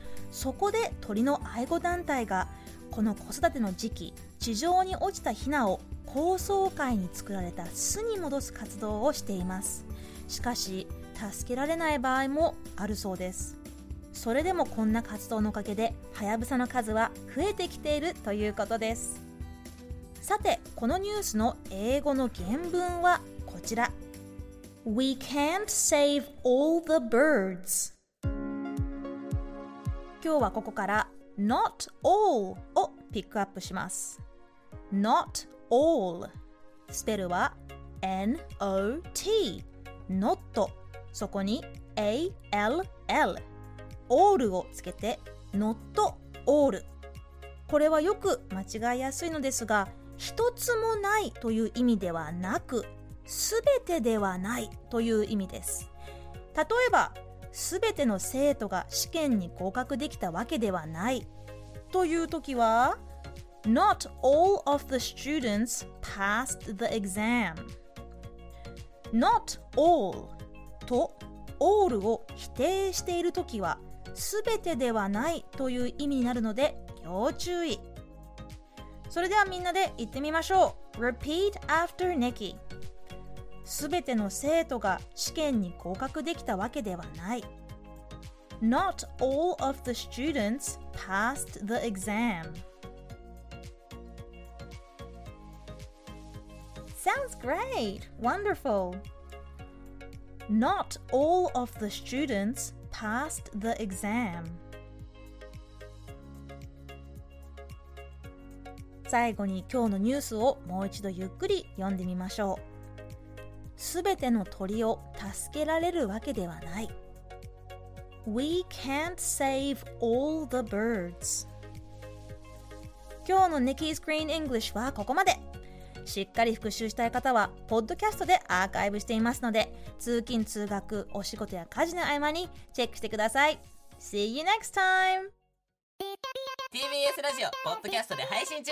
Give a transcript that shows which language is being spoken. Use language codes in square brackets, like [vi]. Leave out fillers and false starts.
[ja] そこで鳥の愛護団体がこの子育ての時期、地上に落ちたヒナを高層階に作られた巣に戻す活動をしています。しかし助けられない場合もあるそうです。それでもこんな活動のおかげでハヤブサの数は増えてきているということです。さてこのニュースの英語の原文はこちら。 [en] We can't save all the birds。 [ja] 今日はここから Not all をピックアップします。 Not all、 スペルは N-O-T、 Not、 そこに A-L-L、 All をつけて Not all。これはよく間違いやすいのですが、一つもないという意味ではなく、すべてではないという意味です。例えば、すべての生徒が試験に合格できたわけではないというときは、 [en] Not all of the students passed the exam. [ja] Not all と all を否定しているときは、すべてではないという意味になるので要注意。それではみんなで言ってみましょう。 [en] Repeat after Nikki。 [ja] すべての生徒が試験に合格できたわけではない。 [en] Not all of the students passed the exam. Sounds great! Wonderful! Not all of the students passed the exam. [ja] 最後に今日のニュースをもう一度ゆっくり読んでみましょう。すべての鳥を助けられるわけではない。 [en] We can't save all the birds. [ja] 今日の Nikki's Green English はここまで。しっかり復習したい方はポッドキャストでアーカイブしていますので、通勤通学、お仕事や家事の合間にチェックしてください。 [en] See you next time! [ja] TBS ラジオポッドキャストで配信中。